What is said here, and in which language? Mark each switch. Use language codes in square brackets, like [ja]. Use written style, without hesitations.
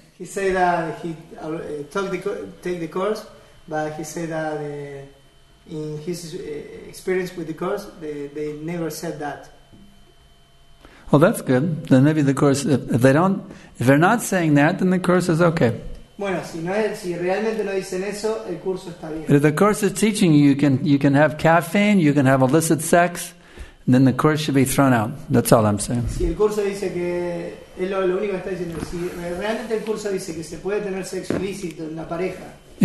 [en] He said that he take the course, but he said that in his experience with the course, they never said that. Well, that's good. Then maybe the course, if they're not saying that, then the course is okay. [es] Bueno, si realmente no dicen eso, el curso está bien. [en] But if the course is teaching you, you can have caffeine, you can have illicit sex, and then the course should be thrown out. That's all I'm saying. [es] Si el curso dice que es lo único que está diciendo, si realmente el curso dice que se puede tener sexo ilícito en la pareja.